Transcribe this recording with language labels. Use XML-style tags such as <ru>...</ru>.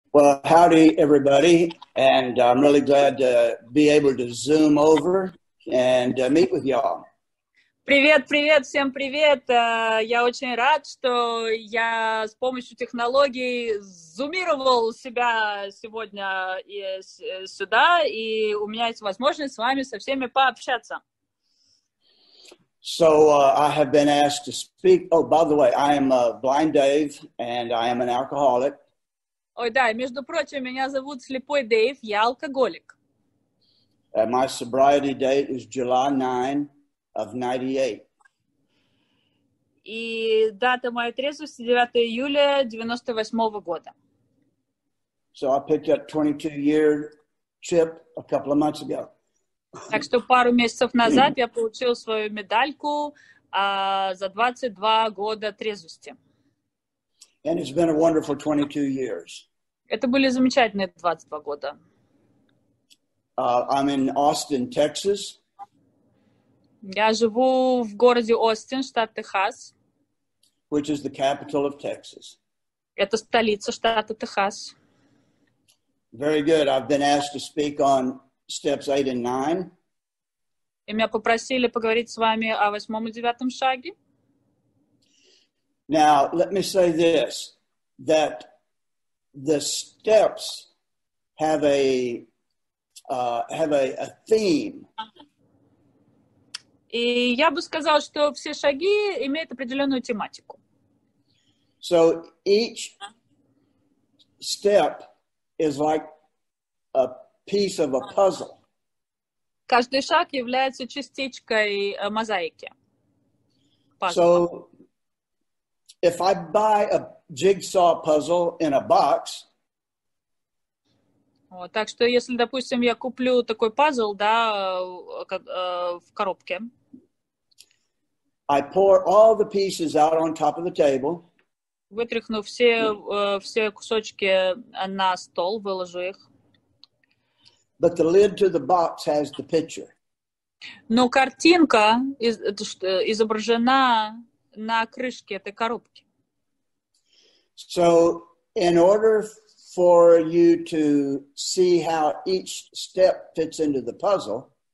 <en>Well, howdy, everybody, and I'm really glad to be able to zoom over and meet with y'all.</en> <ru>Привет, привет, всем привет. Я очень рад, что я с помощью технологий зумировал себя сегодня и сюда, и у меня есть возможность с вами со всеми пообщаться.</ru> <en>So I have been asked to speak. Oh, by the way, I am Blind Dave, and I am an alcoholic.</en> <ru>Ой, да, между прочим, меня зовут Слепой Дэйв, я алкоголик.</ru> <en>And my sobriety date is July 9 of 98.</en> <ru>И дата моей трезвости 9 июля 98 года.</ru> <en>So I picked up 22-year chip a couple of months ago.</en> <ru>Так что пару месяцев назад я получил свою медальку за 22 года трезвости.</ru> <en>And it's been a wonderful 22 years.</en> <ru>Это были замечательные 22 года.</ru> <en>I'm in Austin, Texas.</en> <ru>Я живу в городе Остин, штат Техас.</ru> <en>Which is the capital of Texas.</en> <ru>Это столица штата Техас.</ru> <en>Very good. I've been asked to speak on steps 8 and 9.</en> <ru>И меня попросили поговорить с вами о восьмом и девятом шаге.</ru> <en>Now, let me say this, that the steps have a theme.</en> <ru>И я бы сказал, что все шаги имеют определенную тематику.</ru> <en>So each step is like a piece of a puzzle.</en> <ru>Каждый шаг является частичкой мозаики.</ru> <en>Puzzle. So if I buy a jigsaw puzzle in a box.</en> <ru>Вот, так что если, допустим, я куплю такой пазл, да, в коробке.</ru> <en>I pour all the pieces out on top of the table.</en> <ru>Вытряхну все кусочки на стол, выложу их.</ru> <en>But the lid to the box has the picture.</en> <ru>Но картинка изображена на крышке этой коробки.</ru> <en>So, in order for you to see how each step fits into the puzzle.</en>